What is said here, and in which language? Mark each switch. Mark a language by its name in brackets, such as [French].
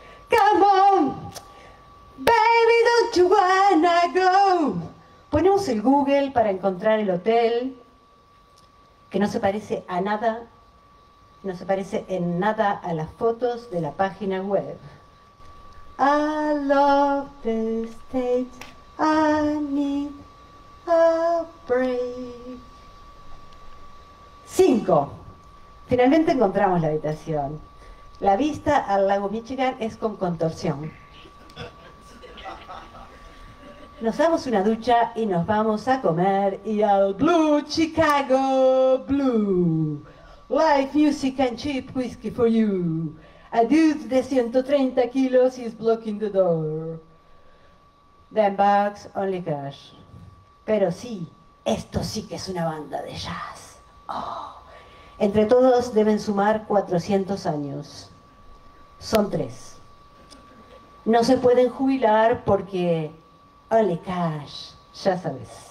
[English] Come on, baby, don't you wanna go? [Spanish] Ponemos el Google para encontrar el hotel, que no se parece a nada, no se parece en nada a las fotos de la página web. [English] I love the States, I need a break. [Spanish] 5. Finalmente encontramos la habitación. La vista al lago Michigan es con contorsión. Nos damos una ducha y nos vamos a comer y al Blue Chicago Blue. [English] Live music and cheap whiskey for you. A dude [Spanish] de [English] 130 kilos is blocking the door. Then bags, only cash. [Spanish] Pero sí, esto sí que es una banda de jazz. Oh. Entre todos deben sumar 400 años. Son 3. No se pueden jubilar porque... [English] Only cash, [Spanish] ya sabes.